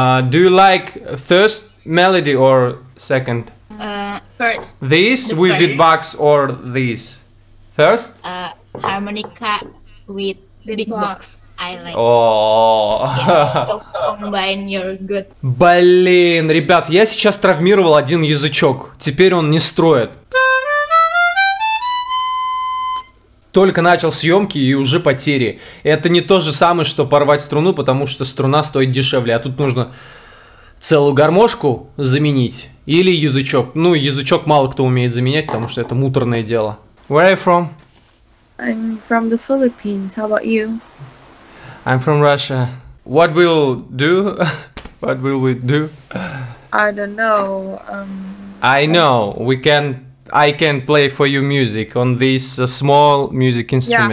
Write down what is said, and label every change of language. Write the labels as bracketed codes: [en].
[en] Do you like first melody or second? First. This the with first. Beatbox or this? First? Harmonica with beatbox. I like. Oh. Combine your good. [ru] Блин, ребят, я сейчас травмировал один язычок. Теперь он не строит. Только начал съемки и уже потери. Это не то же самое, что порвать струну, потому что струна стоит дешевле. А тут нужно целую гармошку заменить или язычок. Ну, язычок мало кто умеет заменять, потому что это муторное дело. [en] Where are you from? I'm from the Philippines. How about you? I'm from Russia. What will do? What will we do? I don't know. I know. We can... I can play for you music on this small music instrument.